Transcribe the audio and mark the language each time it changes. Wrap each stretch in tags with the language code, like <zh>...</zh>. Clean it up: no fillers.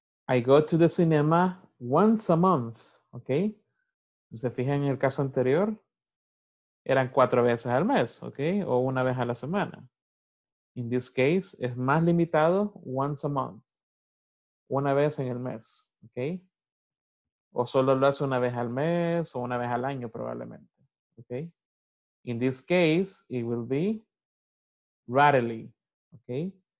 <en>I go to the cinema once a month. Okay.</en> <es>Si se fijan en el caso anterior, eran cuatro veces al mes, okay, o una vez a la semana.</es> <en>In this case,</en> <es>es más limitado,</es> <en>once a month.</en> <es>Una vez en el mes, okay. O solo lo hace una vez al mes o una vez al año probablemente, okay.</es> <en>In this case, it will be rarely, okay.</en>